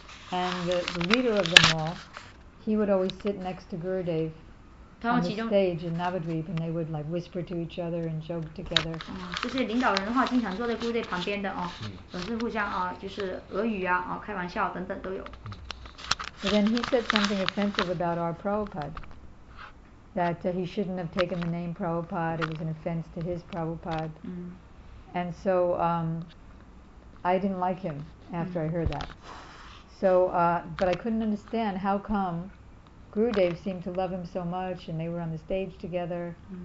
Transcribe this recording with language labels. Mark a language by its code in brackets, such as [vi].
[en] And the leader of them all, he would always sit next to Gurudev on the stage in Navadvip, and they would like whisper to each other and joke together. [zh] 这些领导人的话，经常坐在 Gurudev 旁边的啊，总是互相啊，就是俄语啊，啊开玩笑等等都有。 [en] But then he said something offensive about our Prabhupada, that he shouldn't have taken the name Prabhupada, it was an offense to his Prabhupada. And so I didn't like him after I heard that. So, but I couldn't understand how come Gurudev seemed to love him so much and they were on the stage together.